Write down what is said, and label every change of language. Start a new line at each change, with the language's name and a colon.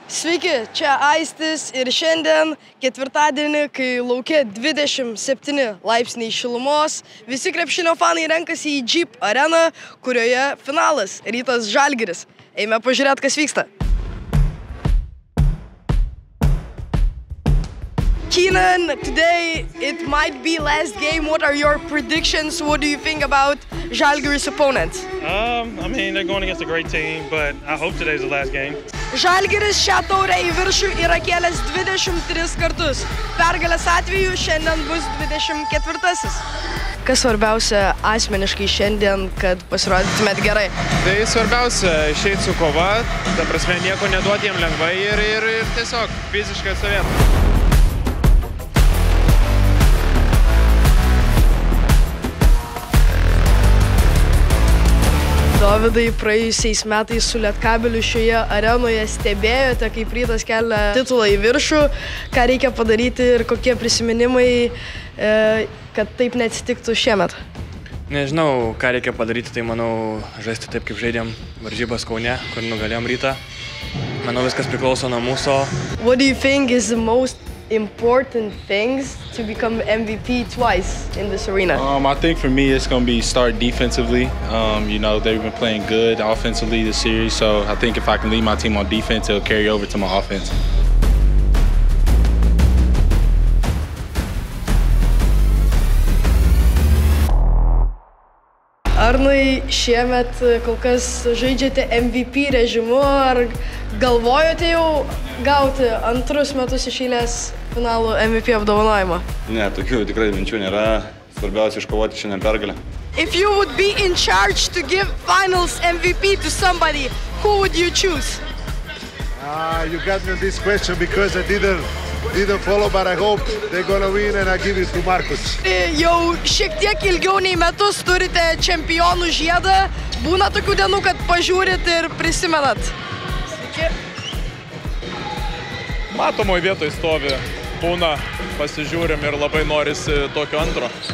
Lithuanian: Sveiki, čia Aistis ir šiandien ketvirtadienį, kai laukia 27 laipsniai šilumos, visi krepšinio fanai renkasi į Jeep areną, kurioje finalas Rytas Žalgiris. Eime pažiūrėt, kas vyksta.
English: Keenan, today it might be last game. What are your predictions? What do you think about Žalgiris' opponents? They're going against a great team, but I hope today's the last game.
Lithuanian: Žalgiris šią taurę į viršų yra kėlęs 23 kartus. Pergalės atveju šiandien bus 24-asis. Kas svarbiausia asmeniškai šiandien, kad pasirodytumėt gerai? Tai svarbiausia, išeit su kova, ta prasme nieko neduoti jiem lengvai ir tiesiog fiziškai atsovėt. Dovidai, praėjusiais metais su Lietkabeliu šioje arenoje stebėjote, kaip Rytas kelia titulą į viršų, ką reikia padaryti ir kokie prisiminimai, kad taip neatsitiktų šiemet? Nežinau, ką reikia padaryti, tai manau, žaisti taip, kaip žaidėm varžybas Kaune, kur nugalėjom Rytą. Manau, viskas priklauso nuo mūsų.
English: What do you think is the most important things to become MVP twice in this arena? I think for me it's going to be start defensively. They've been playing good offensively this series, so I think if I can lead my team on defense, it'll carry over to my offense.
Lithuanian: Arnai, šiemet kol kas žaidžiate MVP režimu, ar galvojote jau gauti antrus metus iš eilės finalų MVP apdovanojimą? Ne, tokių tikrai minčių nėra. Svarbiausia iškovoti šiandien pergalę.
English: If you would be in charge to give finals MVP to somebody, who would you choose? You got me this question because I didn't follow, but I hope they're gonna win and I give it to Marcus.
Lithuanian: Jau šiek tiek ilgiau nei metus turite čempionų žiedą. Būna tokių dienų, kad pažiūrit ir prisimenat. Sveiki. Matomoj vietoj stovi, būna, pasižiūrim ir labai norisi tokio antro.